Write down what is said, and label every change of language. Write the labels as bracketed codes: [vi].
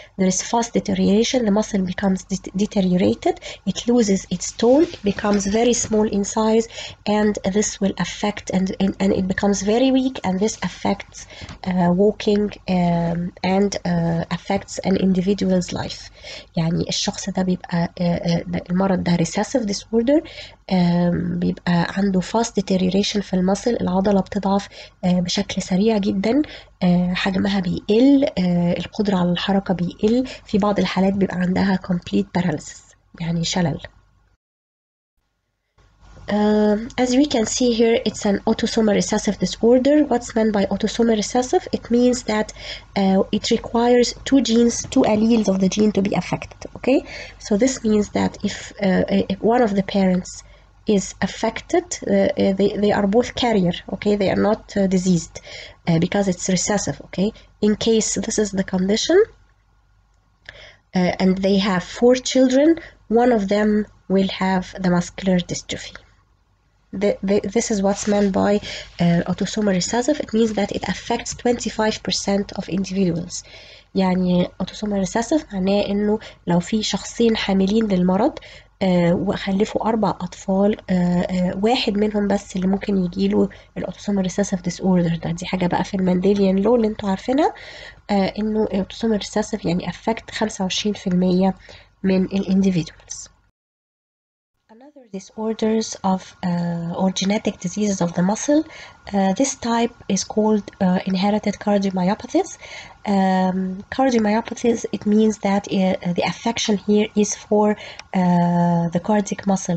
[en] There is fast deterioration, the muscle becomes deteriorated, it loses its tone, it becomes very small in size, and this will affect and it becomes very weak, and this affects walking and affects an individual's life. [ar] يعني الشخص ده بيبقى المرض ده recessive disorder، بيبقى عنده fast deterioration في المسل، العضلة بتضعف بشكل سريع جدا، حجمها بيقل، القدرة على الحركة بيقل، في بعض الحالات بيبقى عندها complete paralysis يعني شلل. [en] As we can see here, it's an autosomal recessive disorder. What's meant by autosomal recessive? It means that it requires two genes, two alleles of the gene to be affected. Okay, so this means that if one of the parents is affected, they are both carrier. Okay, they are not diseased because it's recessive. Okay, in case this is the condition and they have four children, one of them will have the muscular dystrophy. This is what's meant by autosomal recessive. It means that it affects 25% of individuals. [ar] يعني autosomal recessive معناه انه لو في شخصين حاملين للمرض وخلفوا اربع اطفال، واحد منهم بس اللي ممكن يجيله الاوتوسومال ريسيسيف ديس اوردر ده. دي حاجه بقى في المانديليان لو اللي انتوا عارفينها، انه الاوتوسومال ريسيسيف يعني افكت 25% من الانديفيدوالز. [en] Another disorders of or genetic diseases of the muscle. This type is called inherited cardiomyopathies. Cardiomyopathies, it means that the affection here is for the cardiac muscle.